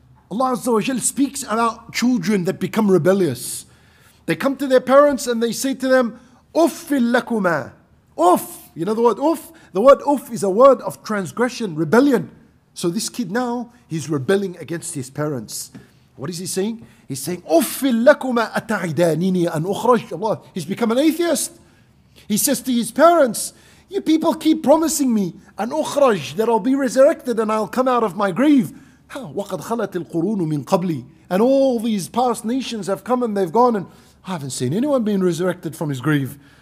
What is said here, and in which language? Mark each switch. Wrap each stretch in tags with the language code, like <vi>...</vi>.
<en>Allah Azza wa Jal speaks about children that become rebellious. They come to their parents and they say to them,</en> <ar>أُفِّلْ لَكُمَا.</ar> <en>Uff, you know the word uff? The word uff is a word of transgression, rebellion. So this kid now, he's rebelling against his parents. What is he saying? He's saying,</en> <ar>أُفِّلْ لَكُمَا أَتَعِدَانِنِي أَنْ أُخْرَجْ.</ar> <en>Allah, he's become an atheist. He says to his parents, you people keep promising me an ukhraj, that I'll be resurrected and I'll come out of my grave.</en> <ar>وَقَدْ خَلَتِ الْقُرُونُ مِنْ قَبْلِي.</ar> <en>And all these past nations have come and they've gone, and I haven't seen anyone being resurrected from his grave.</en>